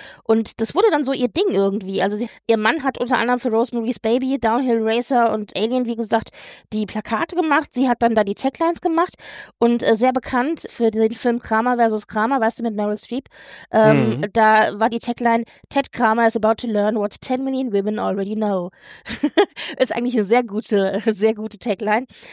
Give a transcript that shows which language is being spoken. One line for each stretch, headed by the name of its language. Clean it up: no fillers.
German: Und das wurde dann so ihr Ding irgendwie. Also ihr Mann hat unter anderem für Rosemary's Baby, Downhill Racer und Alien, wie gesagt, die Plakate gemacht. Sie hat dann da die Taglines gemacht und sehr bekannt für den Film Kramer vs. Kramer, weißt du, mit Meryl Streep. Da war die Tagline:
English: Ted Kramer is about to learn what 10 million women already know.
German: Ist eigentlich eine sehr gute Tagline.